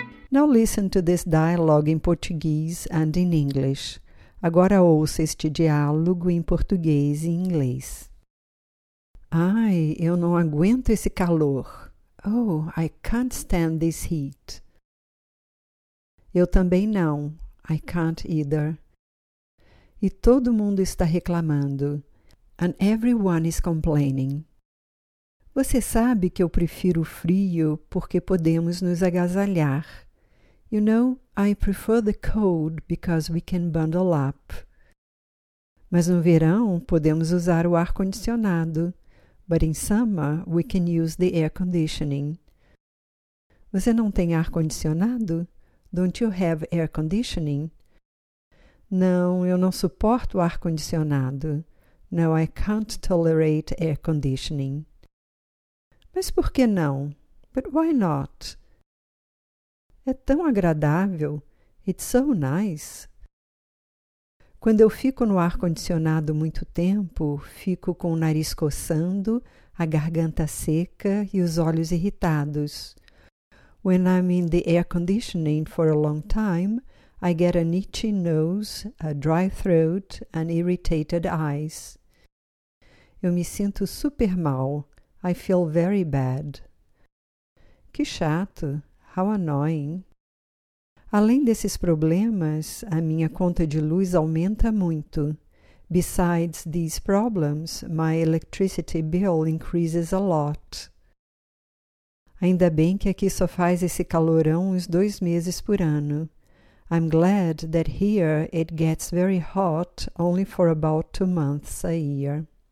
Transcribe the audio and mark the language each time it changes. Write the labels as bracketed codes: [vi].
[en] Now listen to this dialogue in Portuguese and in English. [pt] Agora ouça este diálogo em português e inglês. Ai, eu não aguento esse calor. [en] Oh, I can't stand this heat. [pt] Eu também não. [en] I can't either. [pt] E todo mundo está reclamando. [en] And everyone is complaining. [pt] Você sabe que eu prefiro o frio porque podemos nos agasalhar. [en] You know, I prefer the cold because we can bundle up. [pt] Mas no verão podemos usar o ar-condicionado. [en] But in summer, we can use the air conditioning. [pt] Você não tem ar-condicionado? [en] Don't you have air conditioning? [pt] Não, eu não suporto ar-condicionado. [en] No, I can't tolerate air conditioning. [pt] Mas por que não? [en] But why not? [pt] É tão agradável. [en] It's so nice. [pt] Quando eu fico no ar-condicionado muito tempo, fico com o nariz coçando, a garganta seca e os olhos irritados. [en] When I'm in the air conditioning for a long time, I get an itchy nose, a dry throat and irritated eyes. [pt] Eu me sinto super mal. [en] I feel very bad. [pt] Que chato. [en] How annoying. [pt] Além desses problemas, a minha conta de luz aumenta muito. [en] Besides these problems, my electricity bill increases a lot. [pt] Ainda bem que aqui só faz esse calorão uns 2 meses por ano. [en] I'm glad that here it gets very hot only for about 2 months a year.